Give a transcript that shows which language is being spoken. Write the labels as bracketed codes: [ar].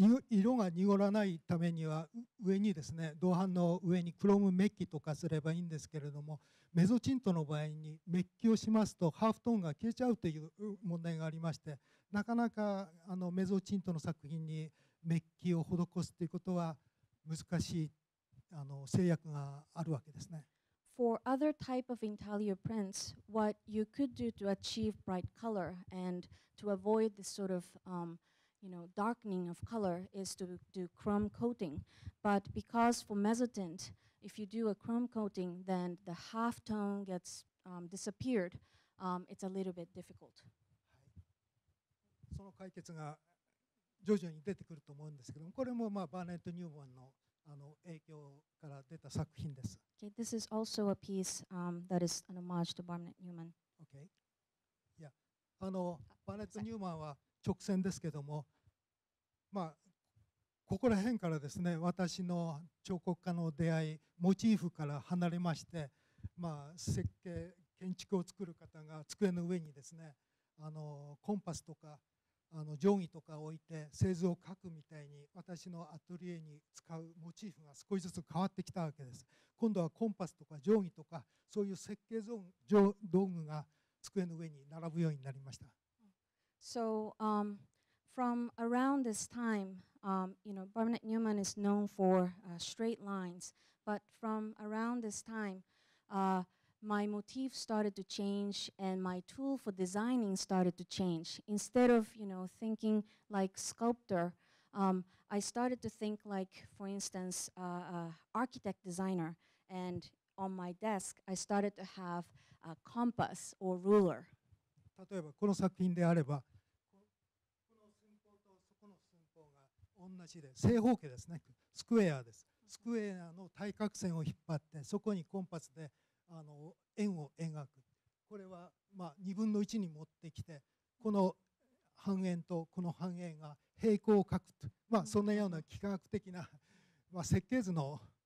[ja] 色が濁らないためには上にですね、銅板の上にクロームメッキとかすればいいんですけれども、メゾチントの場合にメッキをしますとハーフトーンが消えちゃうという問題がありまして、なかなかあのメゾチントの作品にメッキを施すということは難しい、あの制約があるわけですね。 [en] For other type of intaglio prints, what you could do to achieve bright color and to avoid this sort of, you know, darkening of color is to do chrome coating. But because for mezzotint, if you do a chrome coating, then the half tone gets disappeared. It's a little bit difficult. [ja] その解決が徐々に出てくると思うんですけども、これもまあバーネット・ニューマンのあの影響から出た作品です。 [en] Okay, this is also a piece that is an homage to Barnett Newman. Okay. Yeah. [ja] あのバーネット・ニューマンは直線ですけども、まあここら辺からですね、私の彫刻家の出会い、モチーフから離れまして、まあ設計建築を作る方が机の上にですね、あのコンパスとかあの定規とか置いて製図を書くみたいに私のアトリエに使うモチーフが少しずつ変わってきたわけです。今度はコンパスとか定規とかそういう設計道具が机の上に並ぶようになりました。 [en] So, from around this time, you know, Barnett Newman is known for straight lines, but from around this time, my motif started to change and my tool for designing started to change. Instead of, you know, thinking like sculptor, I started to think like, for instance, architect designer. And on my desk, I started to have a compass or ruler. [ja] 例えばこの作品であれば、この寸法とそこの寸法が同じで正方形ですね。スクエアです。スクエアの対角線を引っ張ってそこにコンパスであの円を描く、これはまあ2分の1に持ってきてこの半円とこの半円が平行を描くと、まあそんなような幾何学的なまあ設計図の